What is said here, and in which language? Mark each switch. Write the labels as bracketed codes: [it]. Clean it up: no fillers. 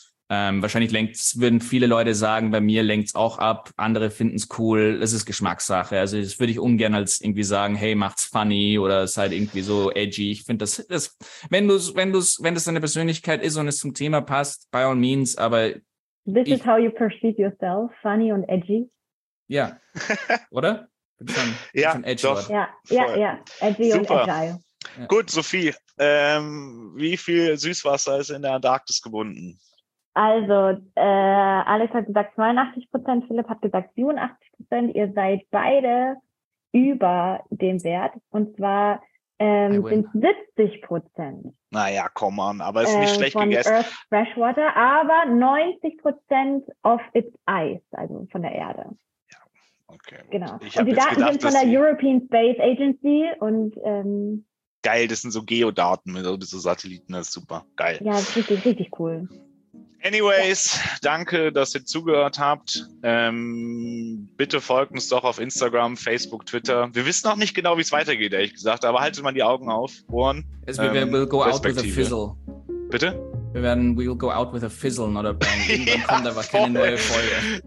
[de] Wahrscheinlich würden viele Leute sagen, bei mir lenkt es auch ab, andere finden es cool, es ist Geschmackssache. Also das würde ich ungern als irgendwie sagen, hey, macht's funny oder seid irgendwie so edgy. Ich finde das, wenn das deine Persönlichkeit ist und es zum Thema passt, [en] by all means, [de] aber [en] this is how you perceive yourself, funny and edgy. [de] Ja. Oder? Schon edgy. Ja, edgy. Super. Und agile. Ja. Gut, Sophie, wie viel Süßwasser ist in der Antarktis gebunden? Also, Alex hat gesagt 82%, Philipp hat gesagt 87%. Ihr seid beide über dem Wert. Und zwar sind 70%. Naja, [en] come on, [de] aber ist nicht schlecht von gegessen. [en] Earth Freshwater, [de] aber [en] 90% of its ice, [de] also von der Erde. Ja, okay. Gut. Genau. Und die Daten sind von der European Space Agency und geil, das sind so Geodaten mit so Satelliten, das ist super. Geil. Ja, das ist richtig, richtig cool. Anyways, danke, dass ihr zugehört habt. Bitte folgt uns doch auf Instagram, Facebook, Twitter. Wir wissen noch nicht genau, wie es weitergeht, ehrlich gesagt, aber haltet mal die Augen auf. Ohren. [en] We'll go out with a fizzle. [de] Bitte? Wir werden, [en] we will go out with a fizzle, not a bang. [de] Irgendwann kommt aber keine neue Folge.